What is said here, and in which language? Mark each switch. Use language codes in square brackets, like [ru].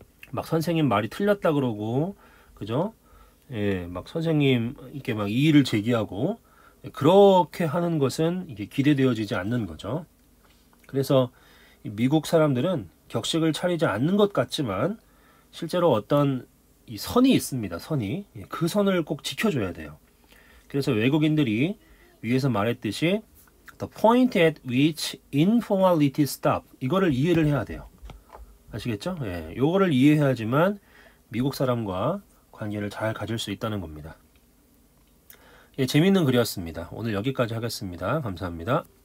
[ko] 막 선생님 말이 틀렸다 그러고, 그죠? 예, 막 선생님께 막 이의를 제기하고, 그렇게 하는 것은 이게 기대되어지지 않는 거죠. 그래서 미국 사람들은 격식을 차리지 않는 것 같지만, 실제로 어떤 이 선이 있습니다. 선이. 그 선을 꼭 지켜줘야 돼요. 그래서 외국인들이 위에서 말했듯이, [en] The point at which informality stop. [ko] 이거를 이해를 해야 돼요. 아시겠죠? 예, 요거를 이해해야지만 미국 사람과 관계를 잘 가질 수 있다는 겁니다. 예, 재밌는 글이었습니다. 오늘 여기까지 하겠습니다. 감사합니다.